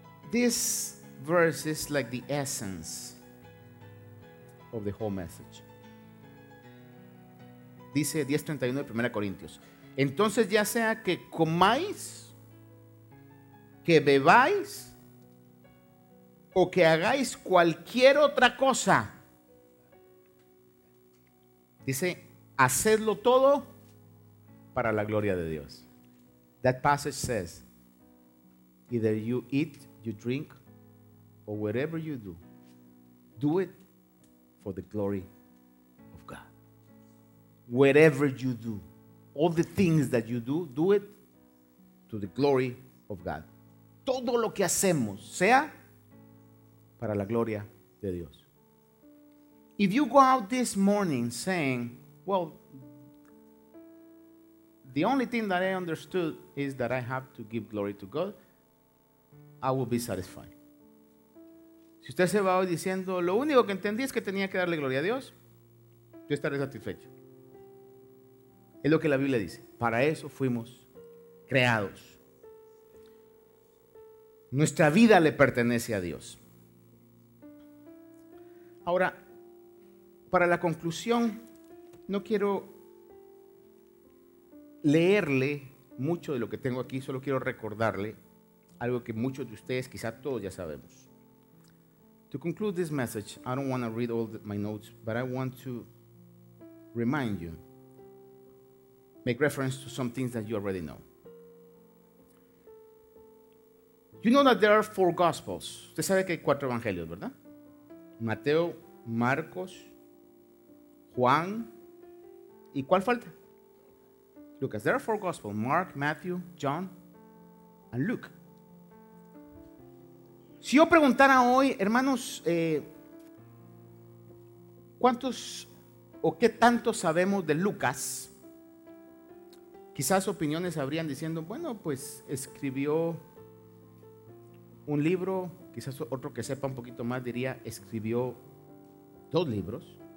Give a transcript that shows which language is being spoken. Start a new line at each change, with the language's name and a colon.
English: This verse is like the essence of the whole message.
Spanish: Dice 10:31 de 1 Corintios. Entonces, ya sea que comáis, que bebáis, o que hagáis cualquier otra cosa, dice, hacedlo todo para la gloria de Dios.
English: That passage says, either you eat, you drink, or whatever you do, do it for the glory of God. Whatever you do, all the things that you do, do it to the glory of God.
Spanish: Todo lo que hacemos, sea para la gloria de Dios.
English: If you go out this morning saying, well, the only thing that I understood is that I have to give glory to God, I will be satisfied.
Spanish: Si usted se va hoy diciendo, lo único que entendí es que tenía que darle gloria a Dios, yo estaré satisfecho. Es lo que la Biblia dice. Para eso fuimos creados. Nuestra vida le pertenece a Dios. Ahora, para la conclusión, no quiero leerle mucho de lo que tengo aquí, solo quiero recordarle algo que muchos de ustedes, quizá todos ya sabemos.
English: To conclude this message, I don't want to read all my notes, but I want to remind you, make reference to some things that you already know. You know that there are four gospels.
Spanish: Usted sabe que hay cuatro evangelios, ¿verdad? Mateo, Marcos, Juan, ¿y cuál falta? Lucas.
English: There are four gospels: Mark, Matthew, John, and Luke.
Spanish: Si yo preguntara hoy, hermanos, ¿cuántos o qué tanto sabemos de Lucas? Quizás opiniones habrían diciendo, bueno, pues escribió un libro, quizás otro que sepa un poquito más diría, escribió dos libros.